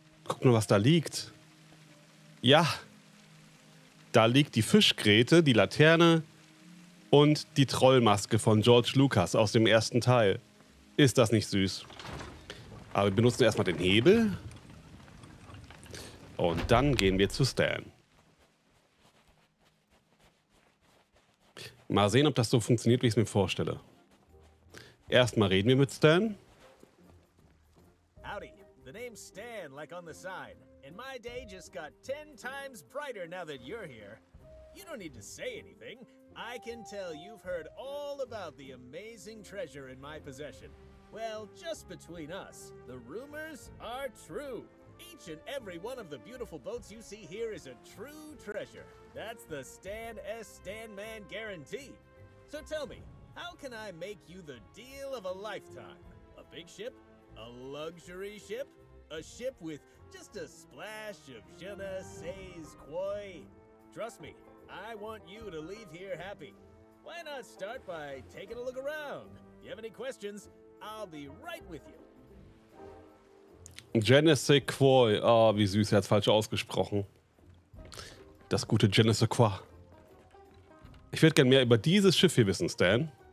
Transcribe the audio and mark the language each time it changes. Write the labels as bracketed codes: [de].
[de] Guckt mal, was da liegt. Ja, da liegt die Fischgräte, die Laterne und die Trollmaske von George Lucas aus dem ersten Teil. Ist das nicht süß? Aber wir benutzen erstmal den Hebel. Und dann gehen wir zu Stan. Mal sehen, ob das so funktioniert, wie ich es mir vorstelle. Erstmal reden wir mit Stan. [en] Howdy, the name's Stan, like on the sign. And my day just got 10 times brighter now that you're here. You don't need to say anything. I can tell you've heard all about the amazing treasure in my possession. Well, just between us, the rumors are true. Each and every one of the beautiful boats you see here is a true treasure. That's the Stan S. Stanman guarantee. So tell me, how can I make you the deal of a lifetime? A big ship? A luxury ship? A ship with just a splash of je ne sais quoi? Trust me, I want you to leave here happy. Why not start by taking a look around? If you have any questions, I'll be right with you. [fr] Je ne sais quoi. [de] Oh, wie süß, er hat es falsch ausgesprochen. Das gute je ne sais quoi. Ich würde gerne mehr über dieses Schiff hier wissen, Stan.